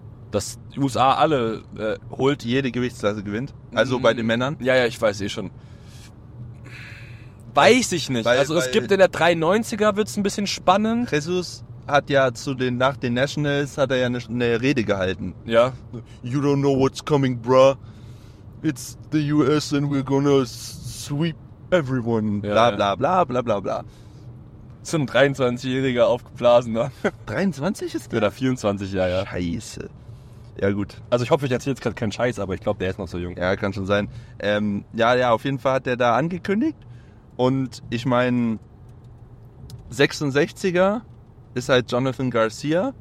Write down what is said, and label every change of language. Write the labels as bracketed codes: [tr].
[de] Dass die USA alle holt? Jede Gewichtsklasse gewinnt? Also bei den Männern? Ja, ich weiß eh schon. Weiß ich nicht. Es gibt in der 93er wird es ein bisschen spannend. Jesus hat ja nach den Nationals hat er ja eine Rede gehalten. Ja. [en] You don't know what's coming, bruh. It's the US and we're gonna sweep everyone. [de] Ja, bla bla bla. So ein 23-Jähriger aufgeblasener. 23 ist der? Oder 24, ja. Scheiße. Ja, gut. Also ich hoffe, ich erzähle jetzt gerade keinen Scheiß, aber ich glaube, der ist noch so jung. Ja, kann schon sein. Auf jeden Fall hat der da angekündigt. Und ich meine, 66er ist halt Jonathan Garcia.